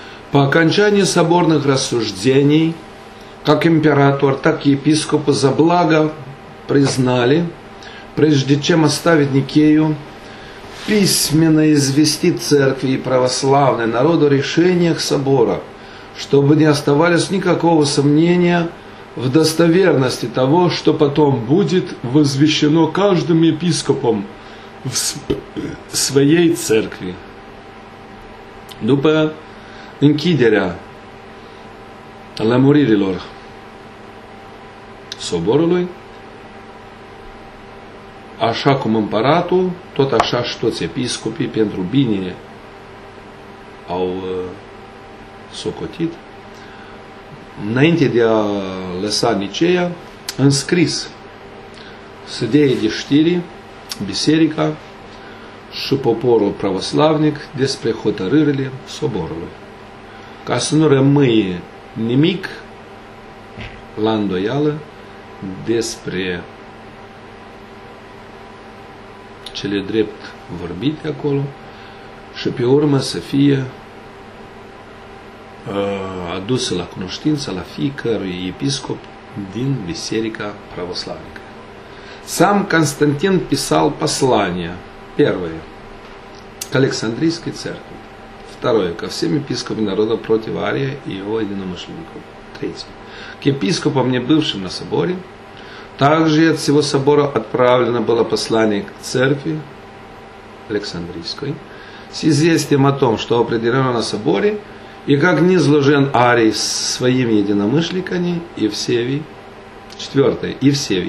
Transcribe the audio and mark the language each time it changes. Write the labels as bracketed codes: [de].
[ru] По окончании соборных рассуждений, как император, так и епископы за благо признали, прежде чем оставить Никею, письменно известить церкви и православный народ о решениях собора, чтобы не оставалось никакого сомнения в достоверности того, что потом будет возвещено каждым епископом в своей церкви. [ro] După închiderea lămuririlor soborului, așa cum împăratul, tot așa și toți episcopii, pentru bine au socotit, înainte de a lăsa Niceea, înscris să dea de știri biserica și poporul pravoslavnic despre hotărârile soborului, ca să nu rămâie nimic la îndoială despre cele drept vorbite acolo și pe urmă să fie adusă la cunoștință la fiecărui episcop din biserica pravoslavnică. [ru] Sam Constantin писал послание. Первое. К Александрийской церкви. Второе. Ко всем епископам народа против Ария и его единомышленников. Третье. К епископам, не бывшим на соборе. Также от всего собора отправлено было послание к церкви Александрийской с известием о том, что определено на соборе и как низложен Арий с своими единомышленниками и всеми. Четвертое. И всеми.